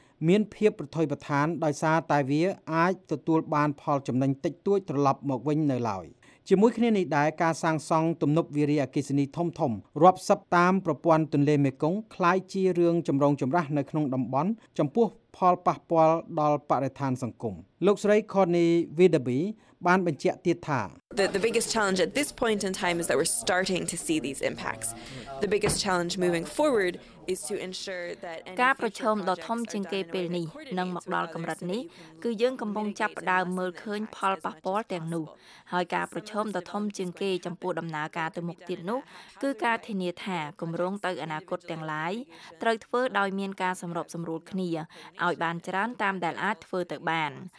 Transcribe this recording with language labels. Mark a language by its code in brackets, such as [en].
[km] មានភាពប្រថុយប្រថានដោយសារតែវាអាចទទួលបានផលចំណេញតិចតួចត្រឡប់មកវិញនៅឡើយជាមួយគ្នានេះដែរការសាងសង់ទំនប់វារីអគ្គិសនីធំធំរាប់សិបតាមប្រព័ន្ធទន្លេមេគង្គคล้ายជារឿងចម្រូងចម្រាសនៅក្នុងតំបន់ចំពោះផលប៉ះពាល់ដល់បរិស្ថានសង្គមលោកស្រី Connie Widaby បានបញ្ជាក់ទៀតថា [en] The biggest challenge at this point in time is that we're starting to see these impacts. The biggest challenge moving forward is to ensure that [km] ការប្រឈមដ៏ធំជាងគេពេលនេះនឹងមកដល់កម្រិតនេះគឺយើងកំពុងចាប់ផ្ដើមមើលឃើញផលប៉ះពាល់ទាំងនោះហើយការប្រឈមដ៏ធំជាងគេចំពោះដំណើរការទៅមុខទៀតនោះគឺការធានាថាគម្រោងទៅអនាគតទាំងឡាយត្រូវធ្វើដោយមានការសម្របសម្រួលគ្នាឲ្យបានច្រើនតាមដែលអាចធ្វើទៅបាន